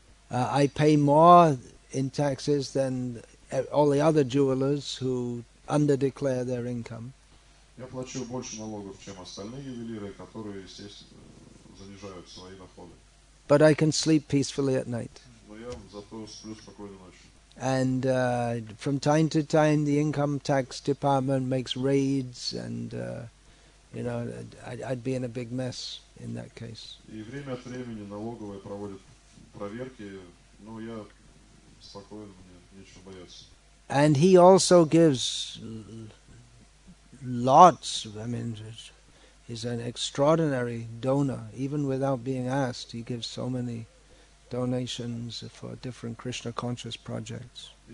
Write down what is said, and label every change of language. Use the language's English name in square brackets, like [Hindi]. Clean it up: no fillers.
[English] I pay more in taxes than all the other jewelers who under-declare their income. [Russian] Я плачу больше налогов, чем остальные ювелиры, которые, естественно, занижают свои доходы. [English] But I can sleep peacefully at night. [Russian] Но я зато сплю спокойно ночью. [English] And from time to time the income tax department makes raids and I'd be in a big mess in that case. [Russian] И время от времени налоговые проводят проверки, но я спокоен, мне нечего бояться. [English] And he also gives lots, I mean, he's an extraordinary donor. Even without being asked, he gives so many donations for different Krishna conscious projects.